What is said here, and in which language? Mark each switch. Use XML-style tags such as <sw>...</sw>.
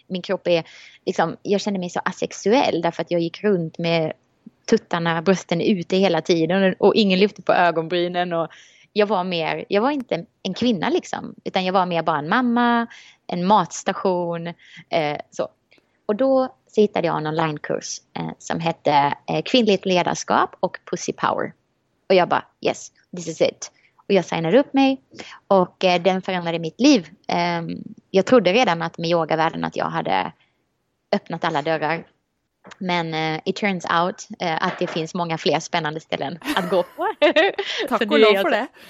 <sv>Min kropp är liksom, jag kände mig så asexuell. Därför att jag gick runt med tuttarna, brösten ute hela tiden och ingen lyfte på ögonbrynen och jag var inte en kvinna liksom, utan jag var mer bara en mamma, en matstation så. Och då så hittade jag en onlinekurs som hette Kvinnligt ledarskap och Pussy Power. Och jag bara</sv> <en>yes, this is it.</en> <sv>Och jag signade upp mig och den förändrade mitt liv. Jag trodde redan att med yogavärlden att jag hade öppnat alla dörrar. Men</sv> <en>it turns out</en> <sv>att det finns många fler spännande ställen att gå på. Tack och lov för det.</sv>